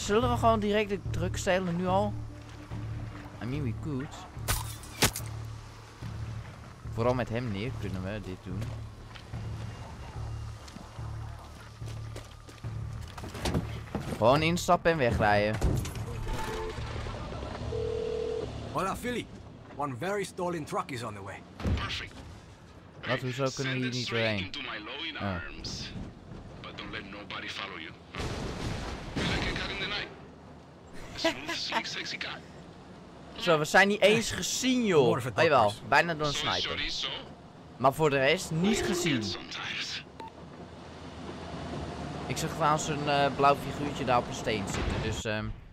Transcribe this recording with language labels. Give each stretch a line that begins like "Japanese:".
Dutch: Zullen we gewoon direct de druk stelen nu al?
English: I mean, we could.
Dutch: Vooral met hem neer kunnen we dit doen. Gewoon instappen en wegrijden.
Spanish: Hola, Philly.
English: One very stolen truck is on the way. Perfect.
Dutch: Wat, hoezo kunnen we hier niet doorheen?
English: Into my loin arms. But don't let nobody follow you. You like a cat in the night? A smooth, sleek, sexy cat.
Dutch: Zo, we zijn niet eens gezien, joh. Oh, jawel, bijna door een sniper. Maar voor de rest, niet gezien. Ik zag trouwens een blauw figuurtje daar op een steen zitten, dus...